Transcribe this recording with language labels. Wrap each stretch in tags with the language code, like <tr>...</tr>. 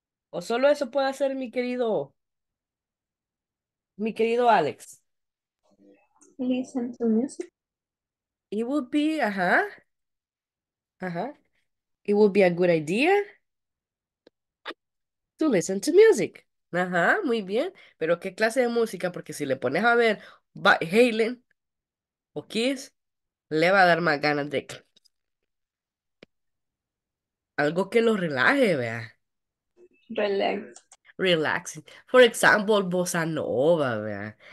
<es>¿O solo eso puede hacer mi querido Alex?</es> <en>Listen to music. It would be, it would be a good idea to listen to music.</en> <es>Ajá, muy bien. Pero ¿qué clase de música? Porque si le pones a ver Van Halen o Kiss, le va a dar más ganas de algo que lo relaje, vea.</es> <en>Relaxing. For example, bossa nova, ¿verdad?</en>